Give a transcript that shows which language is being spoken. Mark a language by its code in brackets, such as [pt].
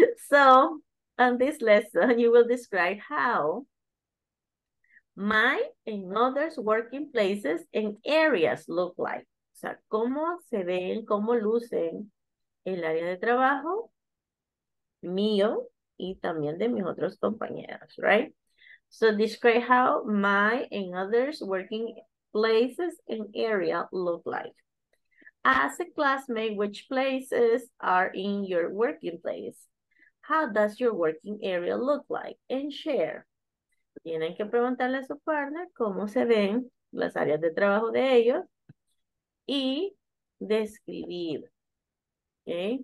[en] So, on this lesson, you will describe how my and others' working places and areas look like. [es] O sea, cómo se ven, cómo lucen el área de trabajo mío y también de mis otros compañeros, [en] right? So describe how my and others' working places and area look like. As a classmate, which places are in your working place? How does your working area look like? And share. [es] Tienen que preguntarle a su partner cómo se ven las áreas de trabajo de ellos y describir, ¿okay?